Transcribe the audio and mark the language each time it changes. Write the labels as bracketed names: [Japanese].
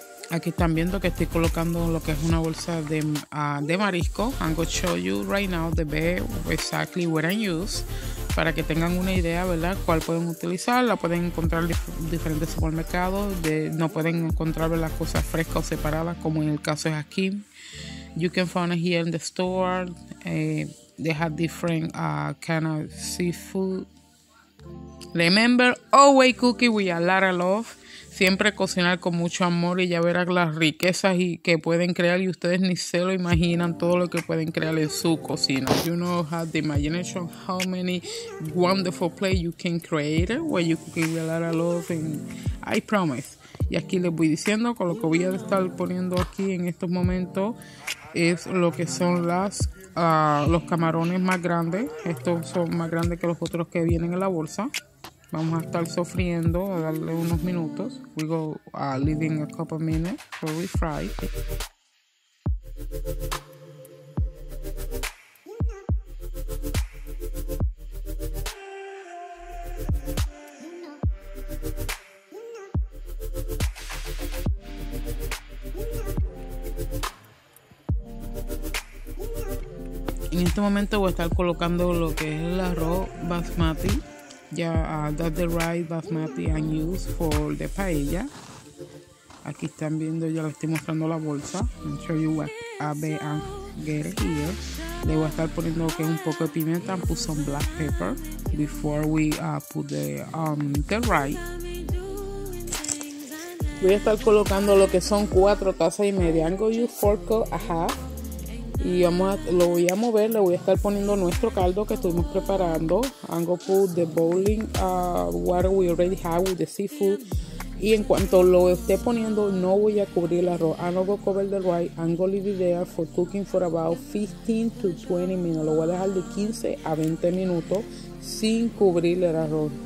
[Spanish] Aquí están viendo que estoy colocando lo que es una bolsa de marisco. [English] I'm going to show you right now the bag exactly what I use. [Spanish] Para que tengan una idea, ¿verdad? ¿Cuál pueden utilizar? La pueden encontrar en diferentes supermercados. No pueden encontrar las cosas frescas o separadas, como en el caso es aquí. [English] You can find it here in the store. They have different kind of seafood. Remember, always cooking with a lot of love. [Spanish] Siempre cocinar con mucho amor y ya verán las riquezas y que pueden crear, y ustedes ni se lo imaginan todo lo que pueden crear en su cocina. [English] You know, have the imagination how many wonderful plates you can create where you can give a lot of love, and I promise. [Spanish] Y aquí les voy diciendo, con lo que voy a estar poniendo aquí en estos momentos es lo que son las los camarones más grandes. Estos son más grandes que los otros que vienen en la bolsa. Vamos a estar sofriendo, a darle unos minutos. [English] We go leaving a couple minutes before we fry. [Spanish] En este momento voy a estar colocando lo que es el arroz basmati. [English] Ya, that's the rice basmati I use for the paella. [Spanish] Aquí están viendo, ya les estoy mostrando la bolsa. [English] I'll show you what I'm getting here. [Spanish] Le voy a estar poniendo lo que es un poco de pimienta. [English] I'll put some black pepper before we put the rice. [Spanish] Voy a estar colocando lo que son 4 tazas y media. [English] I'm going to use 4 cups and a half. [Spanish] Y lo voy a mover, le voy a estar poniendo nuestro caldo que estuvimos preparando. [English] I'm going to put the boiling water we already have with the seafood. [Spanish] Y en cuanto lo esté poniendo, no voy a cubrir el arroz. [English] I'm going to cover the rice. I'm going to leave it there for cooking for about 15 to 20 minutes. [Spanish] Lo voy a dejar de 15 a 20 minutos sin cubrir el arroz.